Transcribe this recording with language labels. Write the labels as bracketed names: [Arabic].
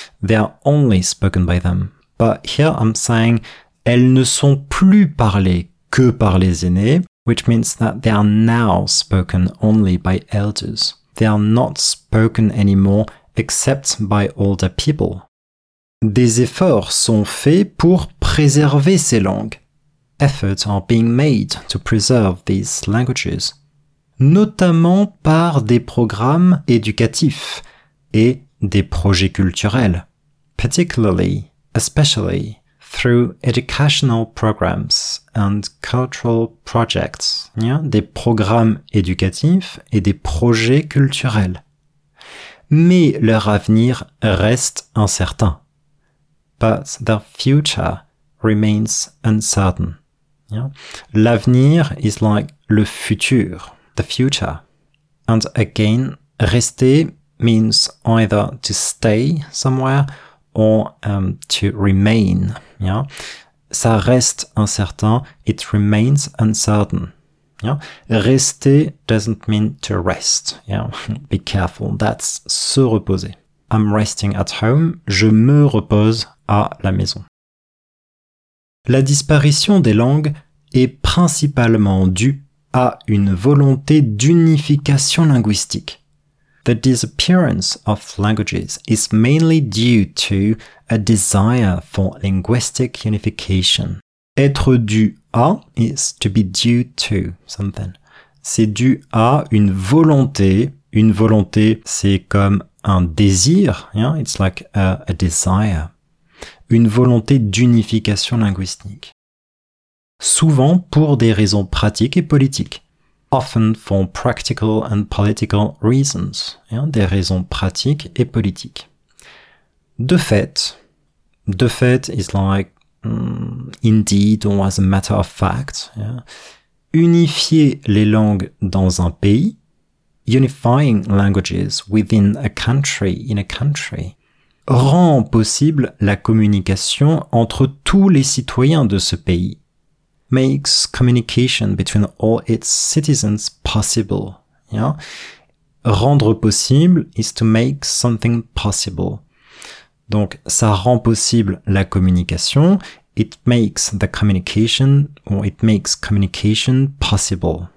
[English] They are only spoken by them. But here I'm saying, [French] elles ne sont plus parlées que par les aînés, [English] which means that they are now spoken only by elders. They are not spoken anymore except by older people. [French] Des efforts sont faits pour préserver ces langues. [English] Efforts are being made to preserve these languages. [French] Notamment par des programmes éducatifs et des projets culturels. [English] Particularly, especially, through educational programs and cultural projects. Yeah? [French] Des programmes éducatifs et des projets culturels. Mais leur avenir reste incertain. [English] But their future remains uncertain. Yeah? L'avenir is like le futur, the future. And again, rester means either to stay somewhere or to remain. Yeah? [French] Ça reste incertain, [English] it remains uncertain. Yeah? Rester doesn't mean to rest. Yeah? Be careful, that's se reposer. I'm resting at home, [French] je me repose à la maison. La disparition des langues est principalement due à une volonté d'unification linguistique. [English] The disappearance of languages is mainly due to a desire for linguistic unification. [French] Être dû à [English] is to be due to something. [French] C'est dû à une volonté. Une volonté, c'est comme un désir. Yeah? [English] It's like a desire. [French] Une volonté d'unification linguistique. Souvent pour des raisons pratiques et politiques. [English] Often for practical and political reasons. Yeah? [French] Des raisons pratiques et politiques. [English] De fait is like indeed or as a matter of fact. Yeah? [French] Unifier les langues dans un pays. [English] Unifying languages within a country, in a country. [French] rend possible la communication entre tous les citoyens de ce pays. [English] Makes communication between all its citizens possible. Yeah. [French] Rendre possible [English] is to make something possible. [French] Donc, ça rend possible la communication. [English] It makes the communication, or it makes communication possible.